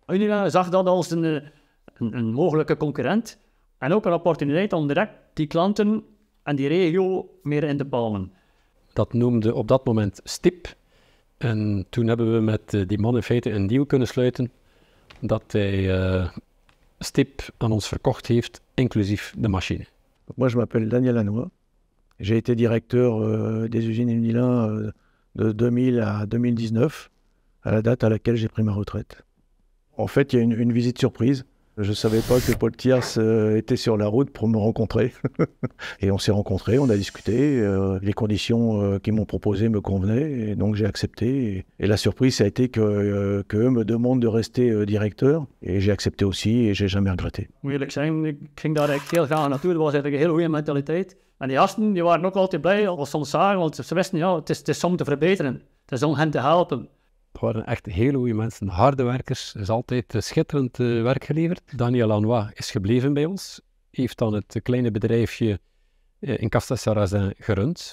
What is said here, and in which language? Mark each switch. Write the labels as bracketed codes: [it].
[nl] Unilin zag dat als een mogelijke concurrent en ook een opportuniteit om direct die klanten en die regio meer in te palmen. Dat noemde op dat moment STIP. En toen hebben we met die man in feite een deal kunnen sluiten dat hij STIP aan ons verkocht heeft, inclusief de machine. [fr] Moi, je m'appelle Daniel Lanois. J'ai été directeur des usines Unilin de 2000 à 2019, à la date à laquelle j'ai pris ma retraite. En fait, il y a une visite surprise. Je ne savais pas que Paul Thiers était sur la route pour me rencontrer. Et on s'est rencontrés, on a discuté. Les conditions qu'ils m'ont proposées me convenaient, et donc j'ai accepté. Et la surprise, ça a été qu'eux me demandent de rester directeur. Et j'ai accepté aussi, et je n'ai jamais regretté. [nl] Oui, je ging daar echt heel graag naartoe. Dat was eigenlijk een hele goede mentaliteit. En die gasten die waren ook altijd blij als ze ons zagen, want ze wisten, ja, het is om te verbeteren. Het is om hen te helpen. Het waren echt hele goede mensen, harde werkers. Er is altijd schitterend werk geleverd. Daniel Lanois is gebleven bij ons. Hij heeft dan het kleine bedrijfje in Castelsarrasin gerund.